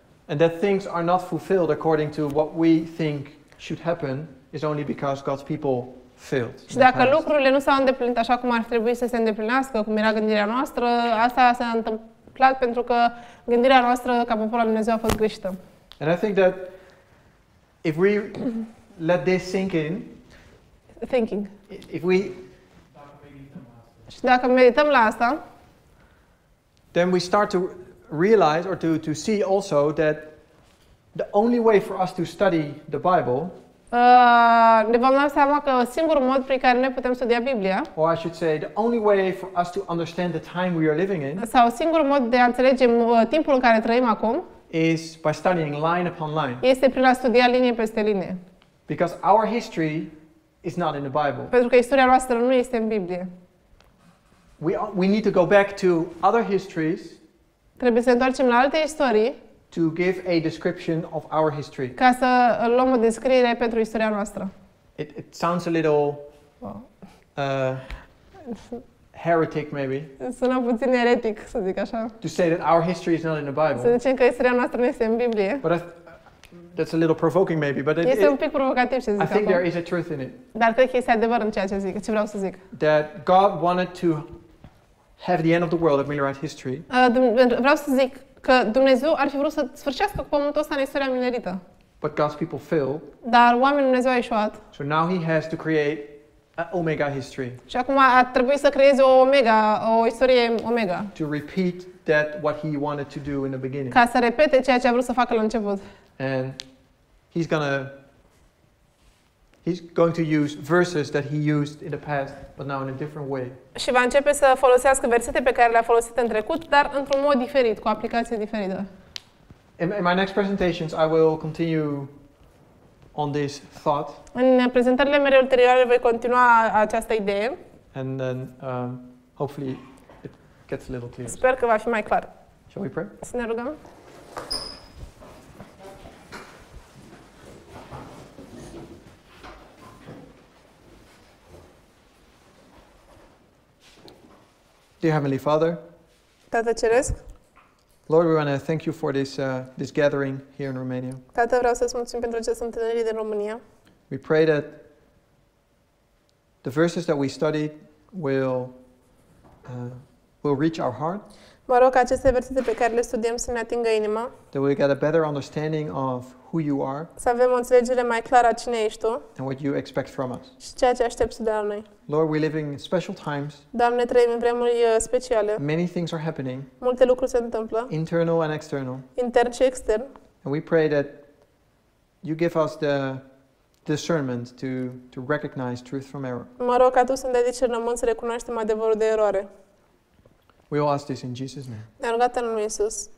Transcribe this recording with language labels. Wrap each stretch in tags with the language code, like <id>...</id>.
<en>And that things are not fulfilled according to what we think should happen is only because God's people failed.</en> <ro>Și dacă lucrurile nu s-au îndeplinit așa cum ar trebui să se îndeplinească, cum era gândirea noastră, asta s-a întâmplat pentru că gândirea noastră ca popor al lui Dumnezeu a fost greșită.</ro> <en>And I think that if we let this sink in, thinking. If we</en> <ro>și dacă medităm la asta,</ro> <en>then we start to realize or to see also that the only way for us to study the Bible,</en> <ro>ne vom da seama că singurul mod prin care noi putem studia Biblia,</ro> <en>or I should say the only way for us to understand the time we are living in,</en> <ro>sau singurul mod de a înțelege timpul în care trăim acum,</ro> <en>is by studying line upon line.</en> <ro>Este prin a studia linie peste linie.</ro> <en>Because our history is not in the Bible.</en> <ro>Pentru că istoria noastră nu este în Biblie.</ro> <en>We need to go back to other histories.</en> <ro>Trebuie să întoarcem la alte istorii.</ro> <en>To give a description of our history.</en> <ro>Ca să luăm o descriere pentru istoria noastră.</ro> <en>It sounds a little heretic maybe.</en> <ro>Sună puțin eretic, să zic așa.</ro> <en>To say that our history is not in the Bible.</en> <ro>Să zicem că istoria noastră nu este în Biblie.</ro> <en>That's a little provoking maybe, but</en> <ro>este un pic provocativ ce zic.</ro> <en>I think there is a truth in it.</en> <ro>Dar cred că este adevăr în ceea ce zic, ce vreau să zic.</ro> <en>That God wanted to have the end of the world of Millerite history.</en> <ro>Vreau să zic că Dumnezeu ar fi vrut să sfârșească cu pământul ăsta în istoria minerită.</ro> <en>But God's people failed.</en> <ro>Dar oamenii lui Dumnezeu au eșuat.</ro> <en>So now he has to create an omega history.</en> <ro>Și acum a trebuit să creeze o omega, o istorie omega.</ro> <en>To repeat that what he wanted to do in the beginning.</en> <ro>Ca să repete ceea ce a vrut să facă la început.</ro> <en>And he's going to use verses that he used in the past, but now in a different way.</en> <ro>Și va începe să folosească versete pe care le-a folosit în trecut, dar într-un mod diferit, cu aplicație diferită.</ro> <en>In my next presentations, I will continue on this thought.</en> <ro>În prezentările mele ulterioare voi continua această idee.</ro> <en>And then hopefully it gets a little clearer.</en> <ro>Sper că va fi mai clar.</ro> <en>Shall we pray?</en> <ro>Să ne rugăm.</ro> <en>Dear Heavenly Father,</en> <ro>Tată Ceresc,</ro> <en>Lord, we want to thank you for this this gathering here in Romania.</en> <ro>Tată, vreau să-ți mulțumim pentru această întâlnire din România.</ro> <en>We pray that the verses that we studied will reach our heart.</en> <ro>Mă rog ca aceste versete pe care le studiem să ne atingă inima.</ro> <en>That we get a better understanding of who you are.</en> <ro>Să avem o înțelegere mai clară a cine ești tu.</ro> <en>And what you expect from us.</en> <ro>Și ceea ce aștepți de la noi.</ro> <en>Lord, we're living in special times.</en> <ro>Doamne, trăim în vremuri speciale.</ro> <en>Many things are happening.</en> <ro>Multe lucruri se întâmplă.</ro> <en>Internal and external.</en> <ro>Intern și extern.</ro> <en>And we pray that you give us the discernment to recognize truth from error.</en> <ro>Mă rog ca tu să-mi dai discernământ să recunoaștem adevărul de eroare.</ro> <en>We ask this in Jesus' name.</en> <ro>Ne-a rugat în numele lui Iisus.</ro>